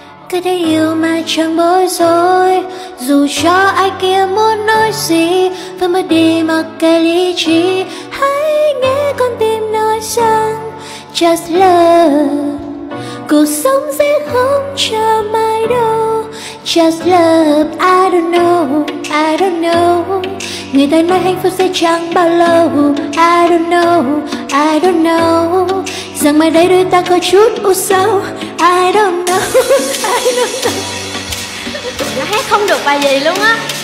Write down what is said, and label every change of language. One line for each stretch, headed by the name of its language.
Vietnamese: Cứ thấy yêu mà chẳng bối rối, dù cho ai kia muốn nói gì, vẫn mới đi mặc kệ lý trí. Hãy nghe con tim nói rằng
English: just love.
Vietnamese: Cuộc sống sẽ không chờ mai đâu.
English: Just love, I don't know, I don't know.
Vietnamese: Người ta nói hạnh phúc sẽ chẳng bao lâu.
English: I don't know, I don't know.
Vietnamese: Rằng mai đây đôi ta có chút u sầu.
English: I don't know, I don't know.
Vietnamese: Nó hát không được bài gì luôn á.